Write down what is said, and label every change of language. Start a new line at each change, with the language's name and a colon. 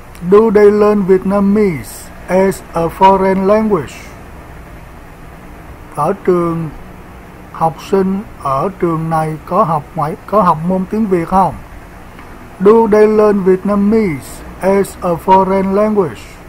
English: Do they learn Vietnamese as a foreign language?
Vietnamese: Ở trường, học sinh ở trường này có học môn tiếng Việt không?
English: Do they learn Vietnamese as a foreign language?